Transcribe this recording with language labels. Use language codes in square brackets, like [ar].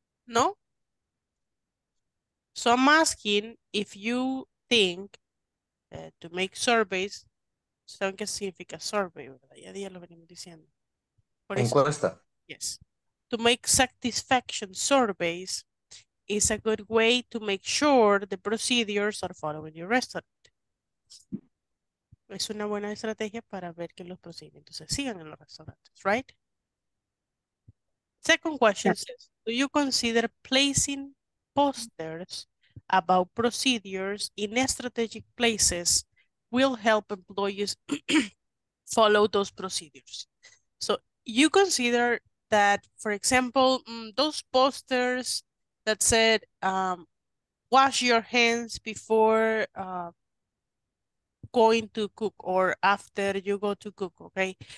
[en] No? So I'm asking if you think to make surveys, [es] ¿saben qué significa survey? ¿Verdad? Ya día lo venimos diciendo. Por encuesta. Eso, [en] yes. To make satisfaction surveys is a good way to make sure the procedures are following your restaurant. [es] Es una buena estrategia para ver que los procedimientos se sigan en los restaurantes, right? [en] Second question says, do you consider placing posters about procedures in strategic places will help employees follow those procedures? So you consider that, for example, those posters that said, wash your hands before going to cook or after you go to cook, okay?